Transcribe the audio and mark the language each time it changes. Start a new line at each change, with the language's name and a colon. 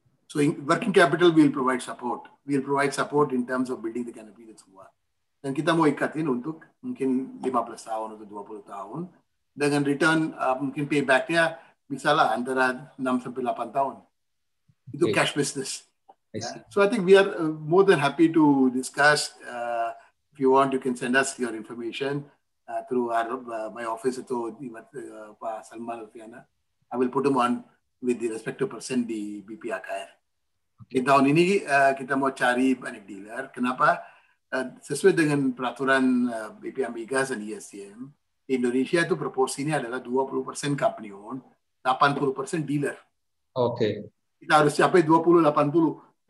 English: So working capital will provide support. We'll provide support in terms of building the canopy
Indonesian: dan semua. Dan kita mau ikatin untuk mungkin 15 tahun atau 20 tahun. Dengan return mungkin paybacknya bisa lah antara 6 sampai 8 tahun itu okay.
English: Cash business. Yeah. So I think we are more than happy to discuss. If you want, you can send us your information through our my office atau Pak Salman Alfiana. I will put them on with the respective person di BP AKR. Okay.
Indonesian: Tahun ini kita mau cari banyak dealer. Kenapa? Sesuai dengan peraturan BP Ambigas dan ESDM. Indonesia itu proporsinya adalah 20% company own, 80% dealer. Oke. Okay. Kita harus capai 20-80.